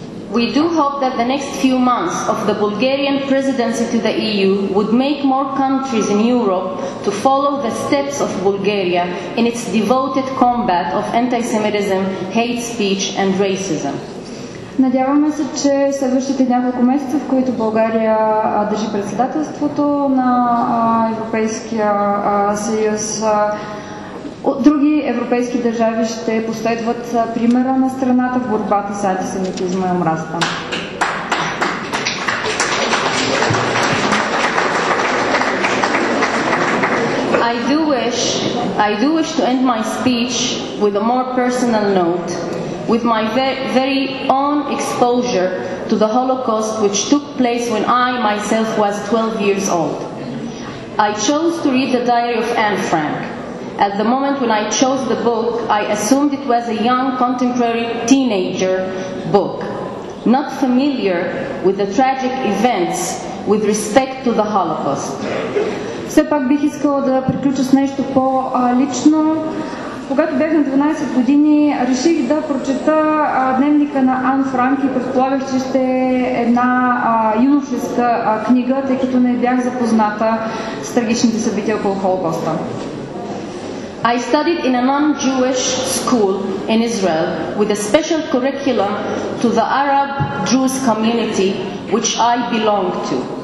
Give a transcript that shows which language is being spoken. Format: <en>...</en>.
<en>We do hope that the next few months of the Bulgarian presidency to the EU would make more countries in Europe to follow the steps of Bulgaria in its devoted combat of anti-Semitism, hate speech and racism.</en> <bg>Надяваме се, че следващите няколко месеца, в които България държи председателството на Европейския съюз, други европейски държави ще последват примера на страната в борбата с антисемитизма и омразата.</bg> <en>I do wish to end my speech with a more personal note, with my very own exposure to the Holocaust which took place when I myself was 12 years old. I chose to read the diary of Anne Frank. At the moment when I chose the book, I assumed it was a young contemporary teenager book, not familiar with the tragic events with respect to the Holocaust.</en> <bg>Все пак бих искала да приключа с нещо по-лично. Когато бях на 12 години, реших да прочета дневника на Ан Франк и предполагах, че ще е една юношеска книга, тъй като не бях запозната с трагичните събития около Холокоста.</bg> <en>I studied in a non-Jewish school in Israel with a special curriculum to the Arab Jewish community which I belong to.</en>